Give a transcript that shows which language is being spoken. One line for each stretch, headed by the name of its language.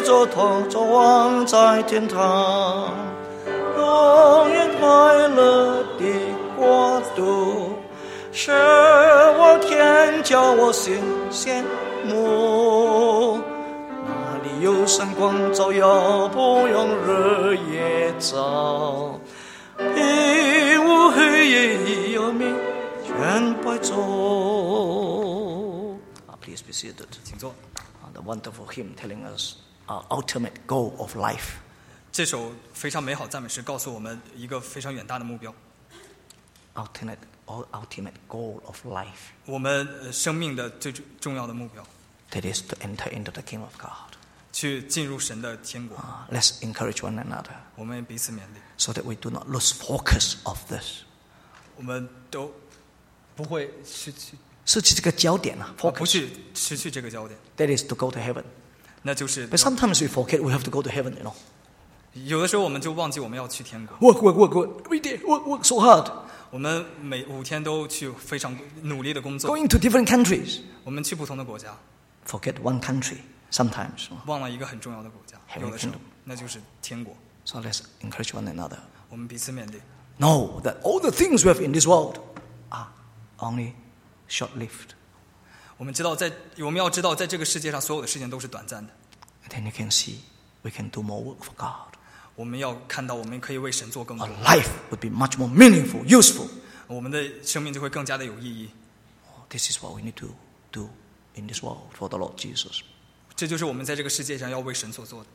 Chinese: 同作王在天堂，永远快乐的国度是我天叫我心羡慕，那里有神光照耀，不用日夜照，比无黑夜有明全白昼。
English: Please be seated.
Chinese: 请坐。
English: The wonderful hymn telling usultimate goal of life.
Chinese: 这首非常美好赞美诗告诉我们一个非常远大的目标。
English: ultimate goal of life.
Chinese: 我们生命的最重要的目标。
English: That is to enter into the kingdom of God.
Chinese: 去进入神的天国。
English: Let's encourage one another.
Chinese: 我们彼此勉励。
English: So that we do not lose focus of this.
Chinese: 我们都不会失去。失去这个焦点啊 ，focus. 不是失去这个焦点。
English: That is to go to heaven.
Chinese: 那就是。
English: But sometimes we forget we have to go to heaven, you know.
Chinese: 有的时候我们就忘记我们要去天国。
English: Work every day, work so hard.
Chinese: 我们每五天都去非常努力的工作。
English: Going to different countries.
Chinese: 我们去不同的国家。
English: Forget one country sometimes.
Chinese: 忘了一个很重要的国家。
English: Heaven kingdom.
Chinese: 那就是天国。
English: So let's encourage one another.
Chinese: 我们彼此勉励。
English: Know that all the things we have in this world are only short-lived.
Chinese: 我们知道我们要知道在这个世界上所有的事情都是短暂的。
English: Then you can see we can do more work for God.
Chinese: 我们要看到我们可以为神做更多。
English: A life would be much more meaningful, useful.
Chinese: 我们的生命就会更加的有意义。
English: This is what we need to do in this world for the Lord Jesus.
Chinese: 这就是我们在这个世界上要为神所做的。